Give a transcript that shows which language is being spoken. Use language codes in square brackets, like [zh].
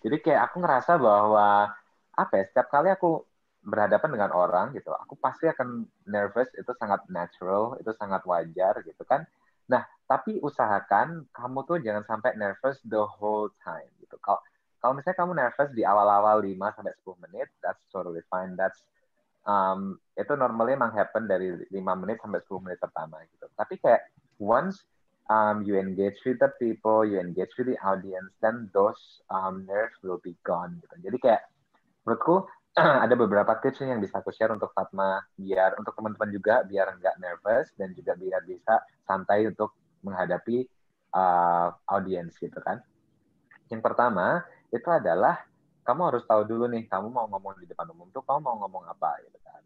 [id] Jadi kayak aku ngerasa bahwa setiap kali aku berhadapan dengan orang gitu, aku pasti akan nervous, itu sangat natural, itu sangat wajar gitu kan. Nah, tapi usahakan kamu tuh jangan sampai nervous [en] the whole time [id] gitu. Kalau misalnya kamu nervous di awal-awal 5 sampai 10 menit, [en] that's totally fine. [id] That's itu normally emang happen dari 5 menit sampai 10 menit pertama gitu. Tapi kayak [en] once you engage with the people, you engage with the audience, then those nerves will be gone. [id] Gitu. Jadi kayak, menurutku, ada beberapa tips yang bisa aku share untuk Fatma, biar untuk teman-teman juga, biar nggak nervous, dan juga biar bisa santai untuk menghadapi audience gitu kan. Yang pertama, itu adalah, kamu harus tahu dulu nih, kamu mau ngomong di depan umum tuh, kamu mau ngomong apa gitu kan.